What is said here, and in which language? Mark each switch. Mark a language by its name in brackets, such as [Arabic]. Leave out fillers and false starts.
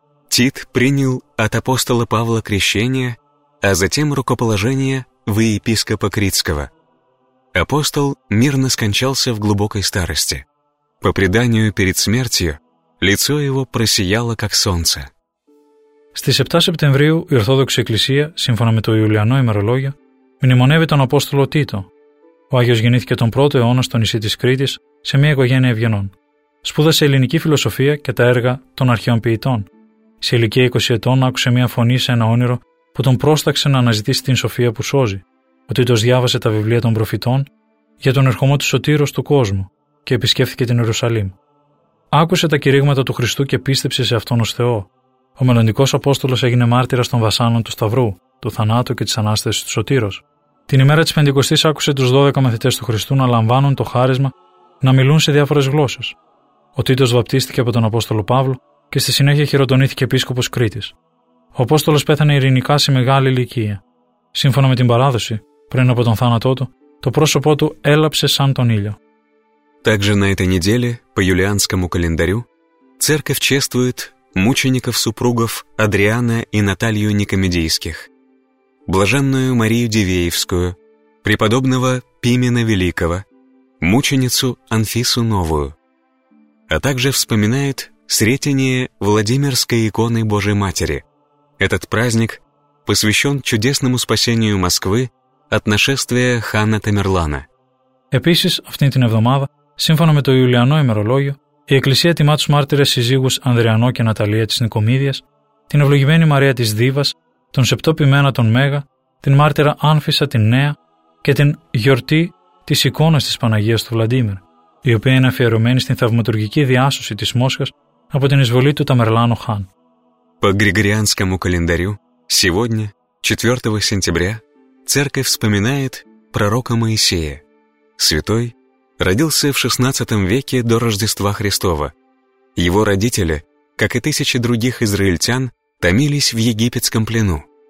[Russian] Тит принял от апостола Павла крещение, а затем рукоположение в епископа Критского. Апостол мирно скончался в глубокой старости. По преданию, перед смертью лицо его просияло, как солнце. [Greek] Στις 7 Σεπτεμβρίου η Ορθόδοξη Εκκλησία, σύμφωνα με το Ιουλιανό ημερολόγιο, μνημονεύει τον Απόστολο Τίτο. Ο Άγιος γεννήθηκε τον 1ο αιώνα στο νησί της Κρήτης σε μια οικογένεια ευγενών. Σπούδασε ελληνική φιλοσοφία και τα έργα των αρχαίων ποιητών. Σε ηλικία 20 ετών άκουσε μια φωνή σε ένα όνειρο που τον πρόσταξε να αναζητήσει την σοφία που σώζει. Ο Τίτος διάβασε τα βιβλία των προφητών για τον ερχομό του Σωτήρος του κόσμου και επισκέφθηκε την Ιερουσαλήμ. Άκουσε τα κηρύγματα του Χριστού και πίστεψε σε αυτόν ως Θεό. Ο μελλοντικός Απόστολος έγινε μάρτυρας των βασάνων του Σταυρού, του θανάτου και της Ανάστασης του Σωτήρος. Την ημέρα της Πεντηκοστής άκουσε τους 12 μαθητές του Χριστού να λαμβάνουν το χάρισμα να μιλούν σε διάφορες γλώσσες. Ο Τίτος βαπτίστηκε από τον Απόστολο Παύλο και στη συνέχεια χειροτονήθηκε επίσκοπος Κρήτης. Ο Απόστολος πέθανε ειρηνικά σε μεγάλη ηλικία. Σύμφωνα με την παράδοση, πριν από τον θάνατό του, το πρόσωπό του έλαψε σαν τον ήλιο. [Russian] Также на этой неделе по юлианскому календарю церковь чествует мучеников-супругов Адриана и Наталью Никомедийских, блаженную Марию Дивеевскую, преподобного Пимена Великого, мученицу Анфису Новую, а также вспоминает сретение Владимирской иконы Божией Матери. Этот праздник посвящен чудесному спасению Москвы от нашествия хана Тамерлана. [Greek] Επίσης, αυτήν την εβδομάδα, σύμφωνα με το Ιουλιανό ημερολόγιο, η Εκκλησία τιμά τους μάρτυρες συζύγους Ανδριανό και Ναταλία της Νικομίδιας, την ευλογημένη Μαρία της Δίβας, τον Σεπτό Ποιμένα τον Μέγα, την μάρτυρα Άνφισα την Νέα και την γιορτή της εικόνας της Παναγίας του Βλαντίμερ, η οποία είναι αφιερωμένη στην θαυματουργική διάσωση της Μόσχας από την εισβολή του Ταμερλάνο Χάν. [Russian] По Григорианскому календарю, сегодня, 4 сентября, церковь вспоминает пророка Моисея. Святой родился в 16 веке до Рождества Христова. Его родители, как и тысячи других израильтян, томились в египетском плену.